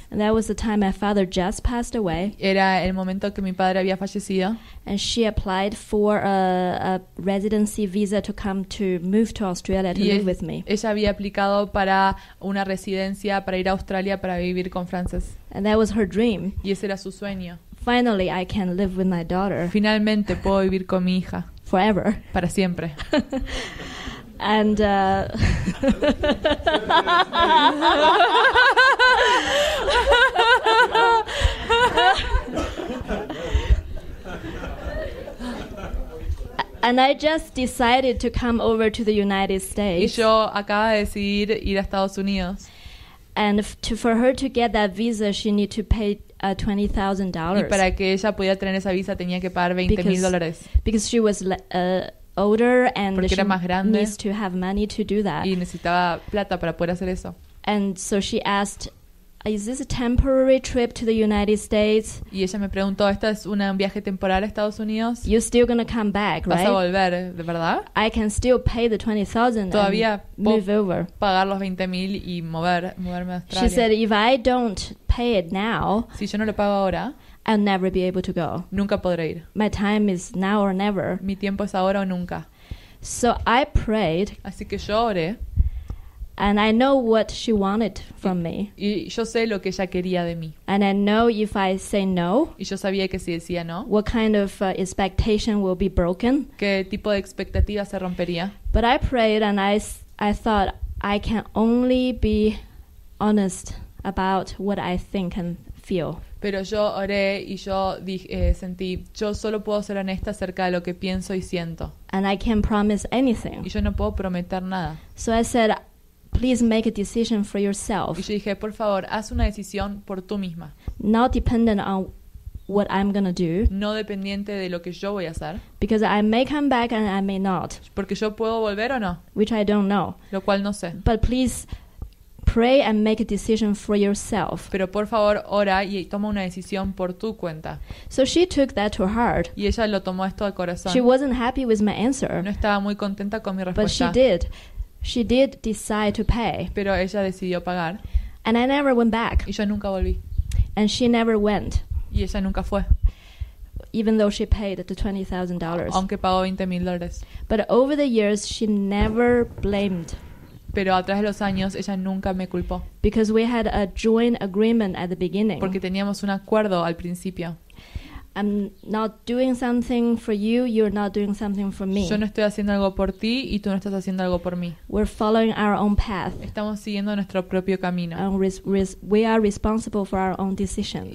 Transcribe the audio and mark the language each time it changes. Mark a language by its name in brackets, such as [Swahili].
[English] And that was the time my father just passed away. [Spanish] Era el momento que mi padre había fallecido. [English] And she applied for a residency visa to come to move to Australia to [Spanish] y [English] live with me. [Spanish] Ella había aplicado para una residencia para ir a Australia para vivir con Frances. [English] And that was her dream. [Spanish] Y ese era su sueño. [English] Finally, I can live with my daughter. [Spanish] Finalmente puedo vivir con mi hija. [English] Forever. [Spanish] Para siempre. [English] And and I just decided to come over to the United States. [Spanish] Y yo acaba de decidir ir a Estados Unidos. [English] And for her to get that visa, she need to pay $20,000. [Spanish] Y para que ella pudiera tener esa visa tenía que pagar $20,000. [English] Because she was older and [Spanish] porque era más grande, [English] needs to have money to do that. [Spanish] Y necesitaba plata para poder hacer eso. [English] And so she asked, "Is this a temporary trip to the United States?" [Spanish] Y ella me preguntó, "¿Esto es un viaje temporal a Estados Unidos?" [English] "You're still gonna come back, [Spanish] ¿vas [English] right?" [Spanish] ¿Vas a volver, de verdad? [English] "I can still pay the $20,000." [Spanish] Todavía [English] and move [Spanish] puedo [English] over. [Spanish] Pagar los 20,000 y moverme a Australia. [English] She said, "If I don't pay it now," [Spanish] si yo no lo pago ahora, [English] "I'll never be able to go." [Spanish] Nunca podré ir. [English] "My time is now or never." [Spanish] Mi tiempo es ahora o nunca. [English] So I prayed. [Spanish] Así que yo oré. [English] And I know what she wanted from me. [Spanish] Y yo sé lo que ella quería de mí. [English] And I know if I say no. [Spanish] Y yo sabía que si decía no. [English] What kind of expectation will be broken? [Spanish] ¿Qué tipo de expectativa se rompería? [English] But I prayed and I thought I can only be honest about what I think and feel. [Spanish] Pero yo oré y yo sentí, yo solo puedo ser honesta acerca de lo que pienso y siento. [English] And I can't promise anything. [Spanish] Y yo no puedo prometer nada. [English] So I said, "Please make a decision for yourself." [Spanish] Y yo dije, por favor, haz una decisión por tú misma. [English] Not dependent on what I'm gonna do. [Spanish] No dependiente de lo que yo voy a hacer. [English] Because I may come back and I may not. [Spanish] Porque yo puedo volver o no. [English] Which I don't know. [Spanish] Lo cual no sé. [English] But please pray and make a decision for yourself. [Spanish] Pero por favor, ora y toma una decisión por tu cuenta. [English] So she took that to heart. [Spanish] Y ella lo tomó esto al corazón. [English] She wasn't happy with my answer. [Spanish] No estaba muy contenta con mi respuesta. [English] But she did decide to pay. [Spanish] Pero ella decidió pagar. [English] And I never went back. [Spanish] Y yo nunca volví. [English] And she never went. [Spanish] Y ella nunca fue. [English] Even though she paid the $20,000. [Spanish] Aunque pagó $20,000. [English] But over the years, she never blamed. [Spanish] Pero a través de los años, ella nunca me culpó. [English] Because we had a joint agreement at the beginning. [Spanish] Porque teníamos un acuerdo al principio. [English] I'm not doing something for you, you're not doing something for me. [Spanish] Yo no estoy haciendo algo por ti y tú no estás haciendo algo por mí. [English] We're following our own path. [Spanish] Estamos siguiendo nuestro propio camino. [English] And we are responsible for our own decisions.